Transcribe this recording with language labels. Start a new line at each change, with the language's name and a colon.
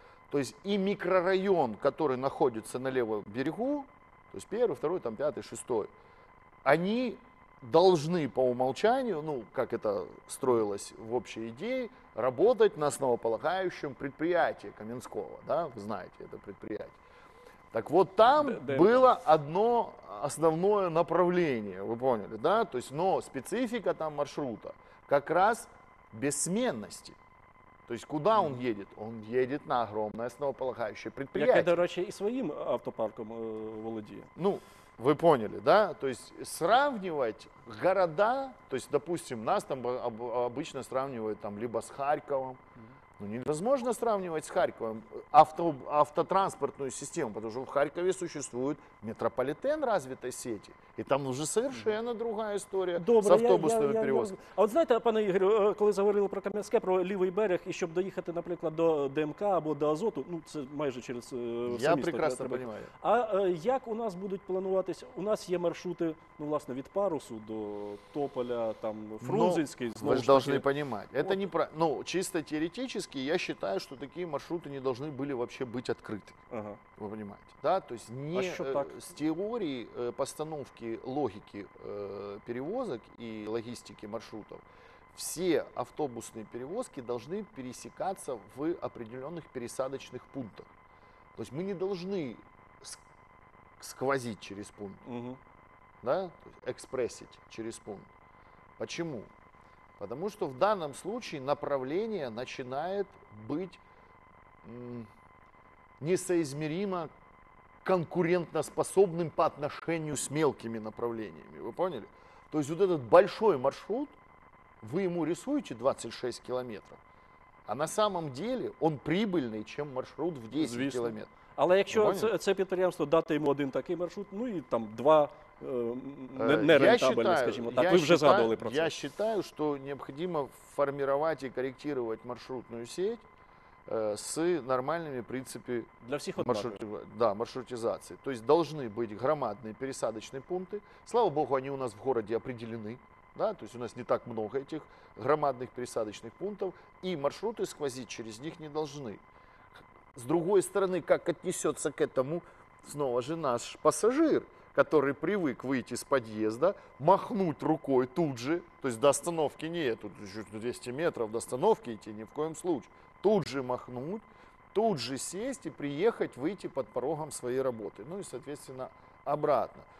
Russian: То есть и микрорайон, который находится на левом берегу, то есть первый, второй, там пятый, шестой, они должны по умолчанию, ну, как это строилось в общей идее, работать на основополагающем предприятии Кам'янського, да, вы знаете это предприятие. Так вот, там было одно основное направление, вы поняли, да? То есть, но специфика там маршрута как раз без сменности. То есть, куда он едет? Он едет на огромное основополагающее предприятие.
Ukrainian: Яке, до речі,
Russian: и своим автопарком
Ukrainian: володіє.
Russian: Ну, вы поняли, да? То есть, сравнивать города, то есть, допустим, нас там обычно сравнивают там либо с Харьковом. Ну, невозможно сравнивать с Харьковом автотранспортную систему, потому что в Харькове существует метрополитен развитой сети. И там уже совершенно другая история.
Ukrainian: Добре,
Russian: с автобусными перевозками.
Ukrainian: А вот знаете, пане Ігорю, коли заговорили про Кам'янське, про лівий берег, і щоб доїхати, наприклад, до ДМК або до Азоту, ну, це майже через все місто. Я прекрасно розумію. А як у нас будуть плануватись? У нас є маршрути, ну, власне, від Парусу до Тополя, там, Фрунзенський, знову ж таки. Ви ж повинні розуміти. Це не про... Ну, чисто теоретично, я вважаю, що такі маршрути не повинні були взагалі бути відкриті. Ага. Ви розумієте? Да? Тобто не з теорії
Russian: постановки логики перевозок и логистики маршрутов, все автобусные перевозки должны пересекаться в определенных пересадочных пунктах. То есть мы не должны сквозить через пункт, да? То есть экспрессить через пункт. Почему? Потому что в данном случае направление начинает быть несоизмеримо конкурентоспособным по отношению с мелкими направлениями. Вы поняли? То есть вот этот большой маршрут, вы ему рисуете 26 километров, а на самом деле он прибыльный, чем маршрут в 10
Ukrainian: Звісно.
Russian: Километров.
Ukrainian: Але якщо це підприємство дати йому один такий маршрут, ну і там два нерентабельні, скажімо так, ви вже згадували про це. Я вважаю, що необхідно формувати і коректувати маршрутну сеть з нормальними принципами для всіх маршрутизації. Тобто, повинні бути громадні пересадочні пункти. Слава Богу, вони у нас в місті определені.
Russian: Да, то есть у нас не так много этих громадных пересадочных пунктов, и маршруты сквозить через них не должны. С другой стороны, как отнесется к этому, снова же, наш пассажир, который привык выйти с подъезда, махнуть рукой тут же, то есть до остановки нет, тут еще 200 метров до остановки идти ни в коем случае, тут же махнуть, тут же сесть и приехать, выйти под порогом своей работы, ну и, соответственно, обратно.